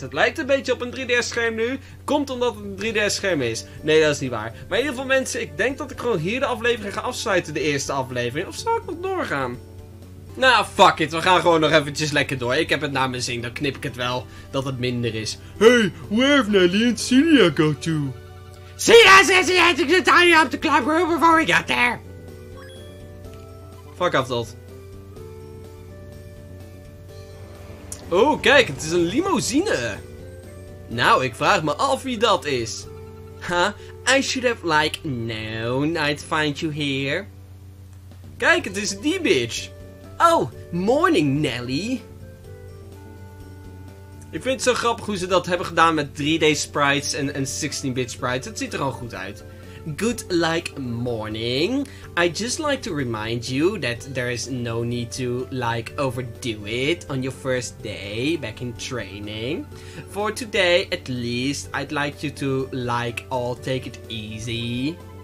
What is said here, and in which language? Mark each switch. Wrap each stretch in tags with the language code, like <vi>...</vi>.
<nl>Het lijkt een beetje op een 3DS scherm nu. Komt omdat het een 3DS scherm is. Nee, dat is niet waar. Maar in ieder geval mensen, ik denk dat ik gewoon hier de aflevering ga afsluiten. De eerste aflevering. Of zal ik nog doorgaan? Nou, fuck it. We gaan gewoon nog eventjes lekker door. Ik heb het naar mijn zin. Dan knip ik het wel dat het minder is.</nl> <en>Hey, where Nelly and Celia go to? Celia says he had to get tiny up the club room before we got there. Fuck off, Dot.</en> <nl>Oh, kijk, het is een limousine. Nou, ik vraag me af wie dat is. Huh?</nl> <en>I should have like known I'd find you here.</en> <nl>Kijk, het is die bitch.</nl> <en>Oh, morning, Nelly.</en> <nl>Ik vind het zo grappig hoe ze dat hebben gedaan met 3D sprites en 16-bit sprites. Het ziet er al goed uit.</nl> <en>Good like morning. I just like to remind you that there is no need to like overdo it on your first day back in training. For today at least, I'd like you to like all take it easy.</en>